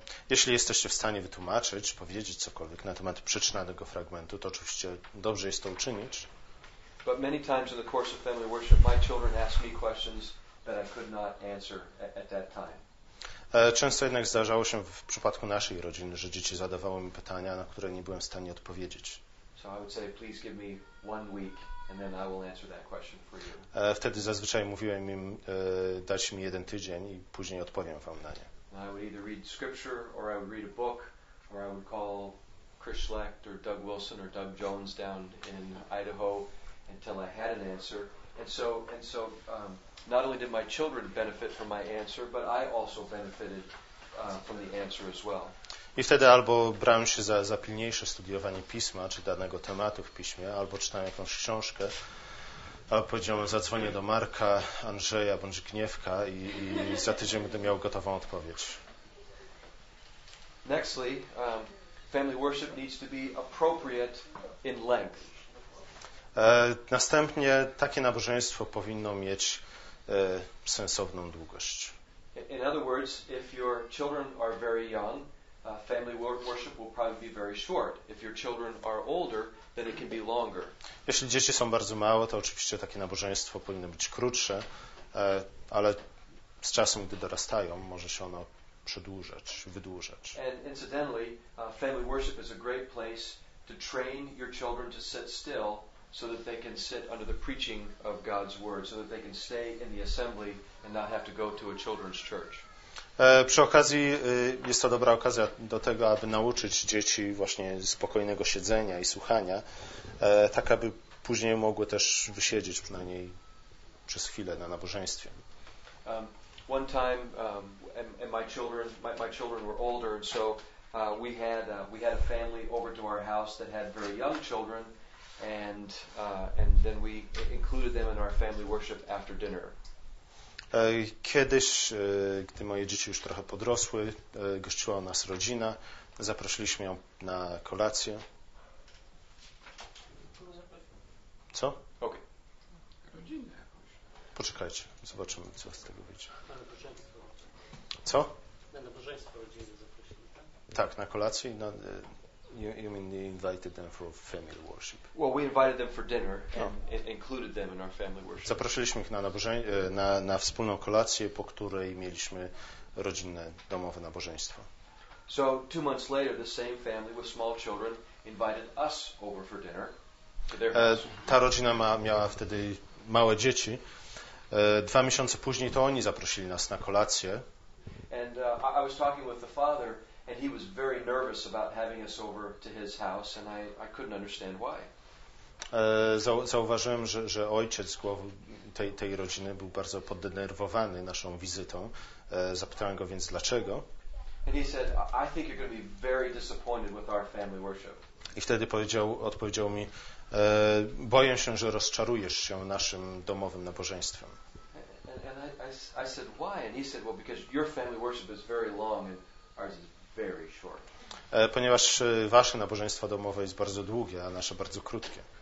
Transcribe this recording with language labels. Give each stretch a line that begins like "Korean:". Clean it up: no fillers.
Polish: Jeśli jesteście w stanie wytłumaczyć, powiedzieć cokolwiek na temat przyczyn tego fragmentu, to oczywiście dobrze jest to uczynić.
English: But many times in the course of family worship, my children ask me questions that I could not answer at that time.
Polish: Często jednak zdarzało się w przypadku naszej rodziny, że dzieci zadawały mi pytania, na które nie byłem w stanie odpowiedzieć.
English: So I would say, please give me 1 week and then I will answer that question for you.
Polish: Wtedy zazwyczaj mówiłem im, dać mi jeden tydzień i później odpowiem wam na nie.
English: And I would either read scripture or I would read a book or I would call Chris Schlecht or Doug Wilson or Doug Jones down in Idaho until I had an answer. And so not only did my children benefit from my answer, but I also benefited from the answer as well.
Polish: I wtedy albo brałem się za pilniejsze studiowanie pisma czy danego tematu w piśmie, albo czytałem jakąś książkę, albo powiedziałem, zadzwonię do Marka, Andrzeja bądź Gniewka i za tydzień będę miał gotową odpowiedź.
English: Nextly, family worship needs to be appropriate in length.
Polish: Następnie takie nabożeństwo powinno mieć sensowną długość.
English: In other words, if your children are very young, family worship will probably be very short. If your children are older, then it can be longer.
Polish: Jeśli dzieci są bardzo małe, to oczywiście takie nabożeństwo powinno być krótsze, ale z czasem, gdy dorastają, może się ono przedłużać, wydłużać.
English: And incidentally, family worship is a great place to train your children to sit still, so that they can sit under the preaching of God's word, so that they can stay in the assembly and not have to go to a children's church.
Polish: Przy okazji jest to dobra okazja do tego, aby nauczyć dzieci właśnie spokojnego siedzenia i słuchania, tak aby później mogły też wysiedzieć przynajmniej przez chwilę na nabożeństwie.
English: One time and my children were older, and so we had a family over to our house that had very young children. And then we included them in our family worship after dinner.
Polish: Kiedyś, gdy moje dzieci już trochę podrosły, gościła u nas rodzina. Zaprosiliśmy ją na kolację. Co? Okej. Rodzinę. Poczekajcie, zobaczymy, co z tego wyjdzie. Co? Na nabożeństwo rodziny zaprosili. Tak, na kolację i na.
English: You mean they invited them for family worship? Well, we invited them for dinner and included them in our family worship.
Polish: Zaprosiliśmy ich na wspólną kolację, po której mieliśmy rodzinne domowe nabożeństwo.
English: So 2 months later, the same family with small children invited us over for dinner.
Polish: Ta rodzina miała wtedy małe dzieci. 2 miesiące później to oni zaprosili nas na kolację.
English: And I was talking with the father. And he was very nervous about having us over to his house, and I couldn't understand why.
Polish: Zauważyłem, że ojciec tej rodziny był bardzo poddenerwowany naszą wizytą. Zapytałem go więc dlaczego.
English: And he said, I think you're going to be very disappointed with our family worship.
Polish: I wtedy odpowiedział mi, boję się, że rozczarujesz się naszym domowym nabożeństwem.
English: And I said, why? And he said, well, because your family worship is very long and ours is very short.
Polish: Ponieważ wasze nabożeństwo domowe jest bardzo długie, a nasze bardzo krótkie.